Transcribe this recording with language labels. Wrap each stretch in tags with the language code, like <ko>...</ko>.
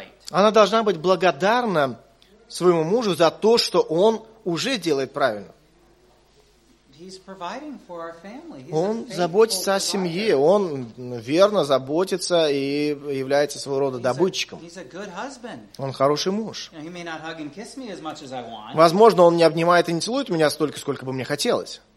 <ru>Она должна быть благодарна своему мужу за то, что он уже делает правильно.</ru> <en>He's providing for our family. He's</en> <ru>он заботится о семье, он верно заботится и является своего рода добытчиком.</ru> <en>He's a good husband.</en> <ru>Он хороший муж.</ru> <en>He may not hug and kiss me as much as I want.</en> <ru>Возможно, он не обнимает и не целует меня столько, сколько бы мне хотелось.</ru>